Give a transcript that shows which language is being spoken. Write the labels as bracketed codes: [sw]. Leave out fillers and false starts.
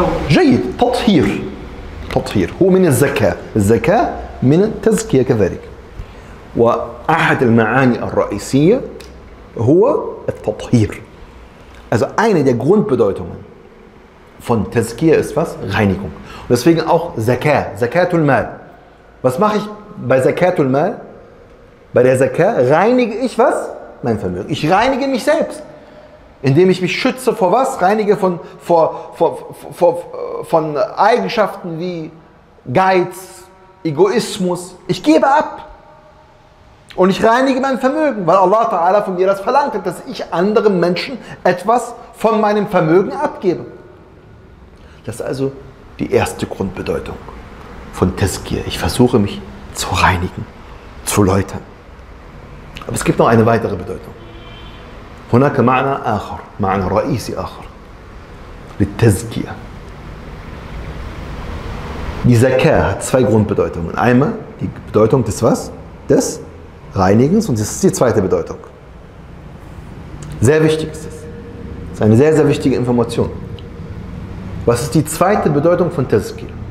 [ar] جيد تطهير تطهير هو من الزكاة الزكاة من التزكية كذلك وأحد المعاني الرئيسية هو التطهير [de] also eine der Grundbedeutungen von Tazkiya ist was? Reinigung. Und deswegen auch Zakat, Zakatul Mal. Was mache ich bei Zakatul Mal? Bei der Zakat reinige ich was? Mein Vermögen. Ich reinige mich selbst. Indem ich mich schütze vor was? Reinige von Eigenschaften wie Geiz, Egoismus. Ich gebe ab. Und ich reinige mein Vermögen, weil Allah Ta'ala von mir das verlangt hat, dass ich anderen Menschen etwas von meinem Vermögen abgebe. Das ist also die erste Grundbedeutung von Tazkiya. Ich versuche mich zu reinigen, zu läutern. Aber es gibt noch eine weitere Bedeutung. [ar] هناك معنى آخر, معنى رئيسي آخر للتزكية. [de] Die Zaka hat 2 Grundbedeutungen. Einmal die Bedeutung des was? Des Reinigens und das ist die 2. Bedeutung. Sehr wichtig ist es. Das ist eine sehr, sehr wichtige Information. Was ist die 2. Bedeutung von Tazkiya?